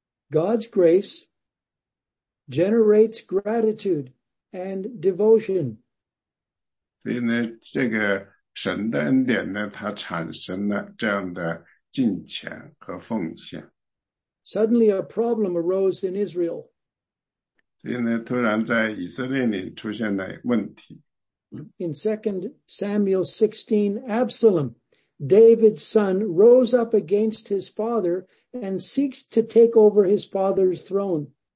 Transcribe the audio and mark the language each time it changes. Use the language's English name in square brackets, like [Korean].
[English] God's grace generates gratitude and devotion. [Chinese] 所以呢，这个神的恩典呢，它产生了这样的敬虔和奉献。 [English] Suddenly a problem arose in Israel. [Chinese] 所以呢，突然在以色列里出现了问题。 [English] In 2 Samuel 16, Absalom, David's son, rose up against his father and seeks to take over his father's throne.